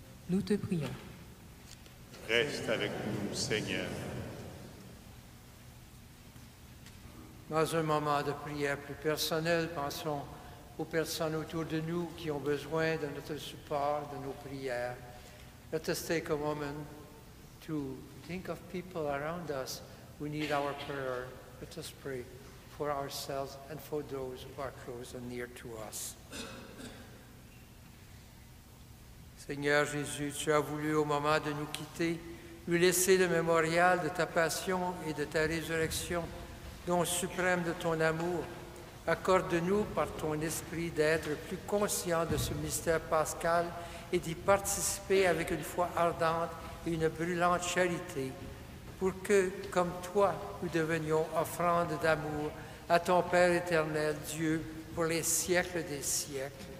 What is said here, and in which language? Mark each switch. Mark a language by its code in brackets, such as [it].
[fr] Nous te prions. Reste avec nous, Seigneur. Dans un moment de prière plus personnel, pensons aux personnes autour de nous qui ont besoin de notre support, de nos prières. [en] Let us take a moment to think of people around us who need our prayer. Let us pray for ourselves and for those who are close and near to us. [fr] Seigneur Jésus, tu as voulu au moment de nous quitter, nous laisser le mémorial de ta passion et de ta résurrection, don suprême de ton amour. Accorde-nous par ton esprit d'être plus conscients de ce mystère pascal et d'y participer avec une foi ardente et une brûlante charité, pour que, comme toi, nous devenions offrande d'amour à ton Père éternel, Dieu, pour les siècles des siècles.